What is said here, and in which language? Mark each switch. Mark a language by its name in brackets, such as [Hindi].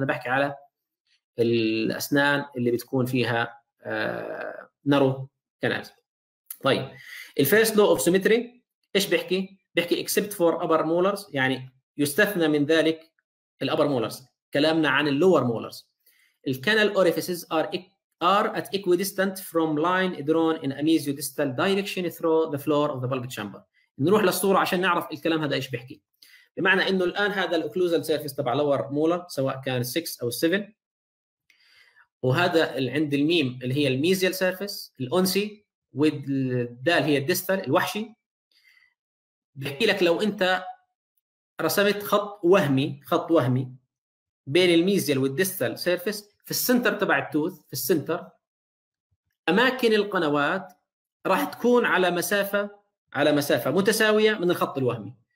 [Arabic] انا بحكي على الاسنان اللي بتكون فيها نارو كانالز. طيب الفيرست لو اوف سيمتري ايش بيحكي؟ بيحكي [English] except for upper molars، [Arabic] يعني يستثنى من ذلك الـ upper molars. كلامنا عن الـ lower molars. [English] الـ canal orifices are at equidistant from line drawn in a mesiodistal direction through the floor of the bulb chamber. [Arabic] نروح للصورة عشان نعرف الكلام هذا ايش بيحكي. بمعنى انه الان هذا الـ occlusal surface تبع lower molar سواء كان 6 او 7، وهذا اللي عند الميم اللي هي الـ mesial surface الأنسي، والدال هي الدستال الوحشي. بحكي لك لو انت رسمت خط وهمي، خط وهمي بين الميزيال والديستال سيرفيس في السنتر تبع التوث، في السنتر اماكن القنوات راح تكون على مسافه، على مسافه متساويه من الخط الوهمي.